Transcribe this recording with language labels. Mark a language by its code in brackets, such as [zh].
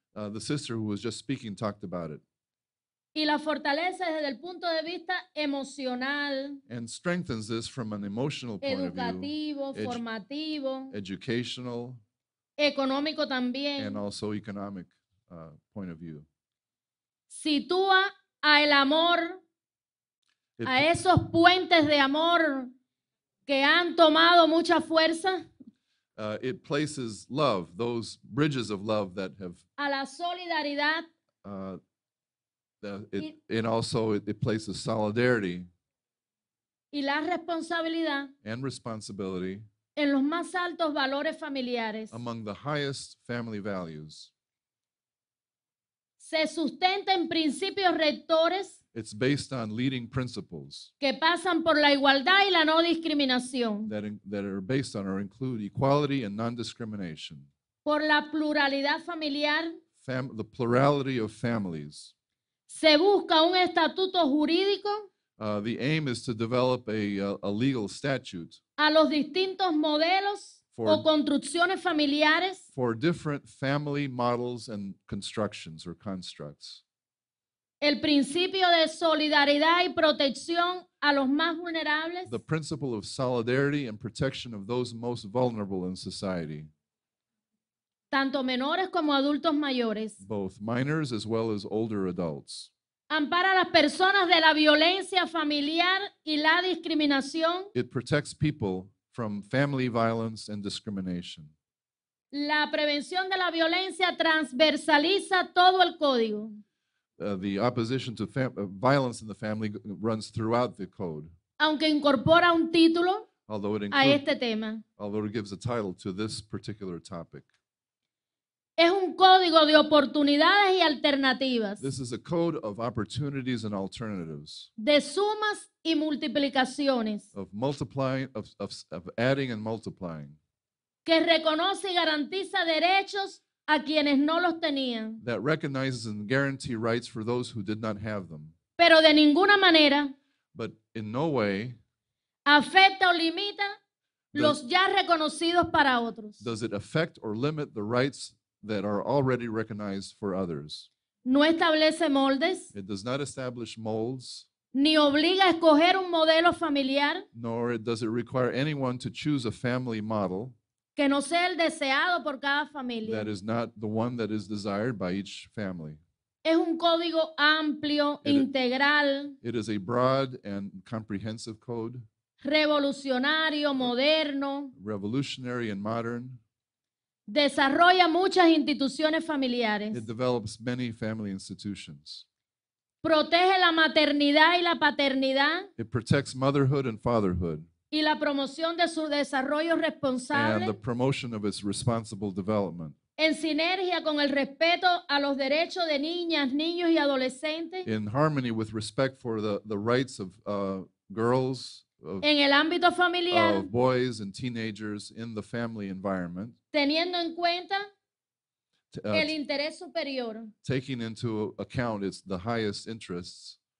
[en] The sister who was just speaking talked about it. [es] Y la fortalece desde el punto de vista emocional. [en] And strengthens this from an emotional point of view. [es] Educativo, formativo. [en] Educational. [es] Económico también. [en] And also economic point of view. [es] Sitúa a el amor. A esos puentes de amor que han tomado mucha fuerza. [en] It places love, those bridges of love that have. [es] A la solidaridad. [en] And also it places solidarity. [es] Y la responsabilidad. [en] And responsibility. [es] En los más altos valores familiares. [en] Among the highest family values. [es] Se sustenta en principios rectores. [en] It's based on leading principles. [es] Que pasan por la igualdad y la no discriminación. [en] That are based on or include equality and non-discrimination. [es] Por la pluralidad familiar. [en] The plurality of families. [es] Se busca un estatuto jurídico. [en] The aim is to develop a legal statute. [es] A los distintos modelos o construcciones familiares. [en] For different family models and constructions or constructs. [es] El principio de solidaridad y protección a los más vulnerables. [en] The principle of solidarity and protection of those most vulnerable in society. [es] Tanto menores como adultos mayores. [en] Both minors as well as older adults. [es] Ampara a las personas de la violencia familiar y la discriminación. [en] It protects people from family violence and discrimination. [es] La prevención de la violencia transversaliza todo el código. [en] The opposition to violence in the family runs throughout the code. [es] Aunque incorpora un título a este tema. [en] Although it gives a title to this particular topic. [es] Es un código de oportunidades y alternativas. [en] This is a code of opportunities and alternatives. [es] De sumas y multiplicaciones. [en] Of multiplying, of adding and multiplying. [es] Que reconoce y garantiza derechos a quienes no los tenían. [en] That recognizes and guarantees rights for those who did not have them. [es] Pero de ninguna manera. [en] But in no way. [es] Afecta o limita los ya reconocidos para otros. [en] Does it affect or limit the rights that are already recognized for others? [es] No establece moldes. [en] It does not establish molds. [es] Ni obliga a escoger un modelo familiar. [en] Nor does it require anyone to choose a family model. [es] Que no sea el deseado por cada familia. [en] That is not the one that is desired by each family. [es] Es un código amplio, integral. [en] It is a broad and comprehensive code. [es] Revolucionario, moderno. [en] Revolutionary and modern. [es] Desarrolla muchas instituciones familiares. [en] It develops many family institutions. [es] Protege la maternidad y la paternidad. [en] It protects motherhood and fatherhood. [es] y la promoción de su desarrollo responsable [en] and the promotion of its responsible development. [es] En sinergia con el respeto a los derechos de niñas, niños y adolescentes. [en] In harmony with respect for the rights of girls. Of, [es] en el ámbito familiar. [en] Of boys and teenagers in the family environment. [es] Teniendo en cuenta el interés superior. [en] Taking into account its the highest interests.